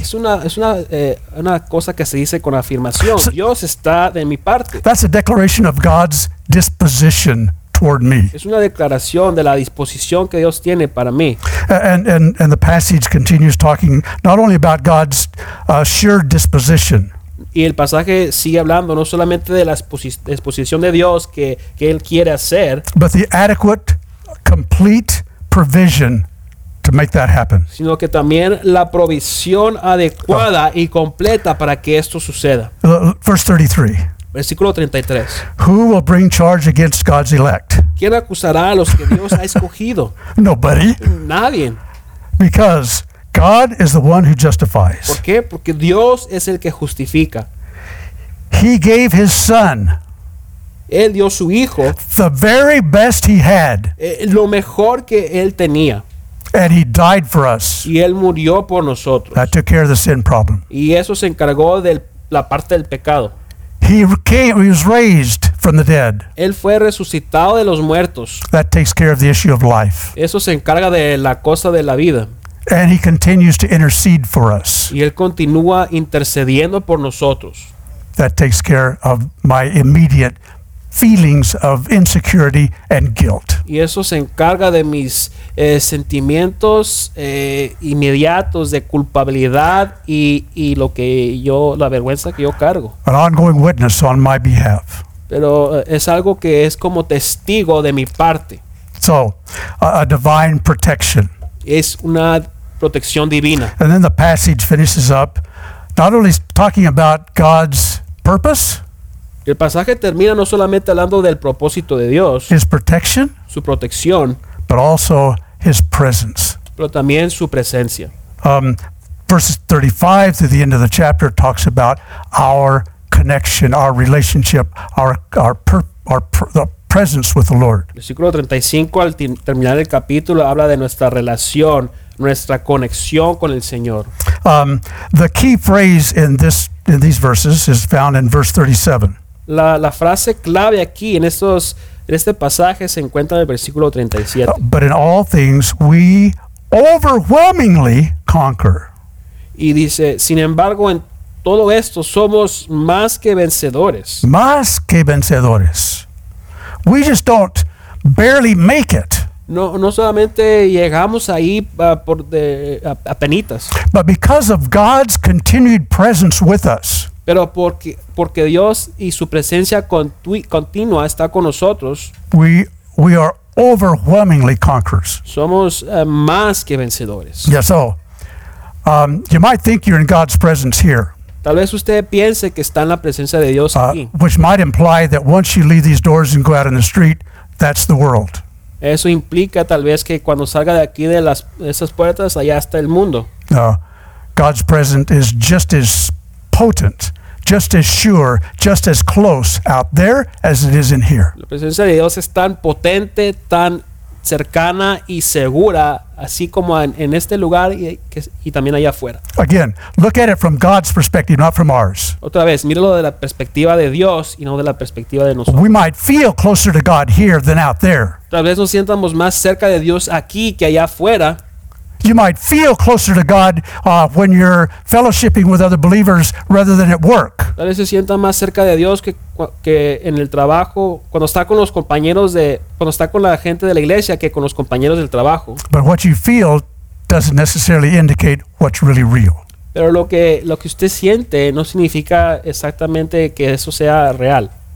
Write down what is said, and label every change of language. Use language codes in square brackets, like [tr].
[es] Es una cosa que se dice con afirmación. Dios está de mi parte. [en] That's a declaration of God's disposition toward me. [es] Es una declaración de la disposición que Dios tiene para mí. [en] And the passage continues talking not only about God's sure disposition. [es] Y el pasaje sigue hablando no solamente de la exposición de Dios que él quiere hacer, [en] but the adequate, complete provision to make that happen. [es] Sino que también la provisión adecuada y completa para que esto suceda. [en] Verse 33. [es] Versículo 33. [en] Who will bring charge against God's elect? [es] ¿Quién acusará a los que Dios ha escogido? [en] Nobody. [es] Nadie. [en] Because God is the one who justifies. [es] ¿Por qué? Porque Dios es el que justifica. [en] He gave his son. [es] Él dio su hijo. [en] The very best he had. [es] Lo mejor que él tenía. [en] And he died for us. [es] Y él murió por nosotros. [en] That took care of the sin problem. [es] Y eso se encargó de la parte del pecado. [en] He was raised from the dead. [es] Él fue resucitado de los muertos. [en] That takes care of the issue of life. [es] Eso se encarga de la cosa de la vida. [en] And he continues to intercede for us. [es] Y él continúa intercediendo por nosotros. [en] That takes care of my immediate feelings of insecurity and guilt. [es] Y eso se encarga de mis sentimientos inmediatos de culpabilidad y lo que yo la vergüenza que yo cargo. [en] An ongoing witness on my behalf. [es] Pero es algo que es como testigo de mi parte. [en] So, a divine protection. [es] Es una protección divina. [en] And then the passage finishes up, not only talking about God's purpose. [es] El pasaje termina no solamente hablando del propósito de Dios, [en] his protection, [es] su protección, [en] but also his presence, [es] pero también su presencia. [en] Verses 35 to the end of the chapter talks about our connection, our relationship, our presence with the Lord. [es] Versículo 35 al terminar el capítulo habla de nuestra relación, nuestra conexión con el Señor. [en] The key phrase in these verses is found in verse 37. [es] La frase clave aquí en este pasaje se encuentra en el versículo 37. [en] But in all things we overwhelmingly conquer. [es] Y dice, sin embargo, en todo esto somos más que vencedores. Más que vencedores. [en] We just don't barely make it. [es] No solamente llegamos ahí a penitas. [en] But because of God's continued presence with us. [es] Pero porque Dios y su presencia continua está con nosotros, [en] we are overwhelmingly conquerors. [es] Somos más que vencedores. [en] Yeah, so you might think you're in God's presence here. [es] Tal vez usted piense que está en la presencia de Dios aquí. [en] Which might imply that once you leave these doors and go out in the street, that's the world. [es] Eso implica tal vez que cuando salga de aquí de esas puertas, allá está el mundo. [en] God's presence is just as potent, just as sure, just as close out there as it is in here. [es] La presencia de Dios es tan potente, tan cercana y segura, así como en este lugar y también allá afuera. [en] Again, look at it from God's perspective, not from ours. [es] Otra vez, míralo de la perspectiva de Dios y no de la perspectiva de nosotros. [en] We might feel closer to God here than out there. [es] Tal vez nos sintamos más cerca de Dios aquí que allá afuera. [en] You might feel closer to God when you're fellowshipping with other believers rather than at work. [es] Tal vez se sienta más cerca de Dios que en el trabajo, cuando está con la gente de la iglesia que con los compañeros del trabajo. [en] But what you feel doesn't necessarily indicate what's really real. [es] Pero lo que usted siente no significa exactamente que eso sea real.